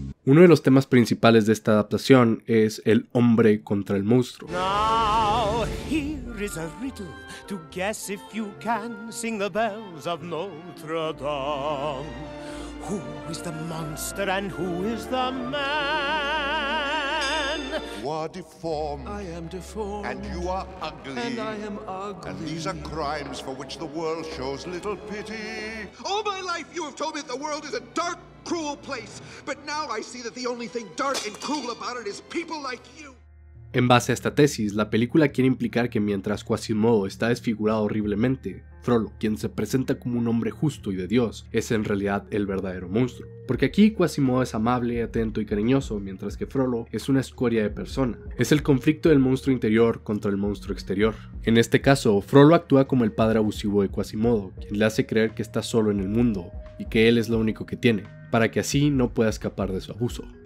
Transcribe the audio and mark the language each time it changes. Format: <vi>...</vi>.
<es>Uno de los temas principales de esta adaptación es el hombre contra el monstruo.</es> <en>Now, here is a riddle. To guess if you can sing the bells of Notre Dame. Who is the monster and who is the man? You are deformed. I am deformed. And you are ugly. And I am ugly. And these are crimes for which the world shows little pity. All my life you have told me that the world is a dark, cruel place. But now I see that the only thing dark and cruel about it is people like you.</en> <es>En base a esta tesis, la película quiere implicar que mientras Quasimodo está desfigurado horriblemente, Frollo, quien se presenta como un hombre justo y de Dios, es en realidad el verdadero monstruo. Porque aquí Quasimodo es amable, atento y cariñoso, mientras que Frollo es una escoria de persona. Es el conflicto del monstruo interior contra el monstruo exterior. En este caso, Frollo actúa como el padre abusivo de Quasimodo, quien le hace creer que está solo en el mundo y que él es lo único que tiene, para que así no pueda escapar de su abuso.</es>